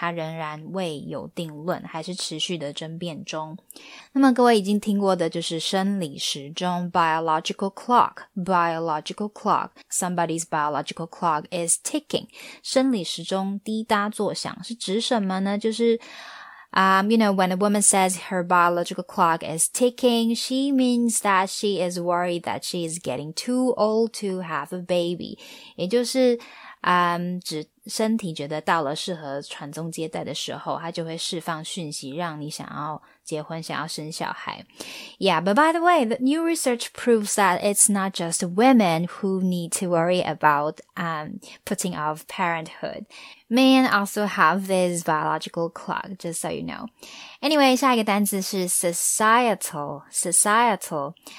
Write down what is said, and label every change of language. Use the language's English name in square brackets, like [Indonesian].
[Chinese] 它仍然未有定论还是持续的争辩中。那么各位已经听过的就是生理时钟 biological clock, biological clock, [English] somebody's biological clock is ticking. [Chinese] 生理时钟滴答作响是指什么呢就是 [English] You know, when a woman says her biological clock is ticking, she means that she is worried that she is getting too old to have a baby. [Chinese] 也就是指身体觉得到了适合传宗接代的时候，它就会释放讯息，让你想要结婚，想要生小孩。 [English] Yeah, but by the way, the new research proves that it's not just women who need to worry about putting off parenthood. Men also have this biological clock, just so you know. [Chinese] Anyway, 下一个单字是 societal, societal.